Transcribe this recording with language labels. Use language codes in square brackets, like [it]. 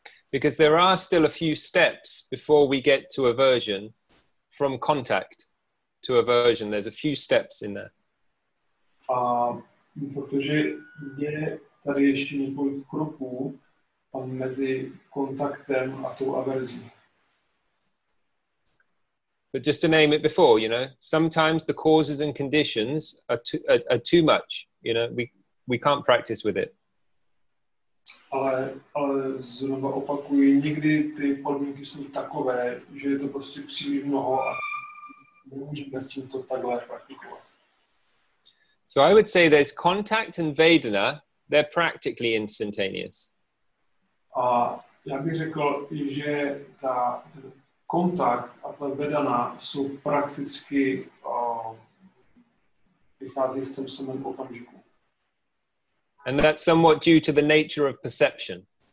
[en] Because there are still a few steps before we get to aversion. From contact to aversion, there's a few steps in there. [cs] Protože je tady ještě několik kroků mezi kontaktem a tou averzí. [en] But just to name it before, you know, sometimes the causes and conditions are too much. You know, we can't practice with it. [cs] Ale znovu opakuji, nikdy ty podmínky jsou takové, že je to prostě příliš mnoho a nemůžeme s tím to takhle praktikovat. [en] So I would say there's contact and vedana, they're practically instantaneous. [cs] A já bych řekl, že ta kontakt a ta vedana jsou prakticky vychází v tom samém okamžiku. [en] And that's somewhat due to the nature of perception.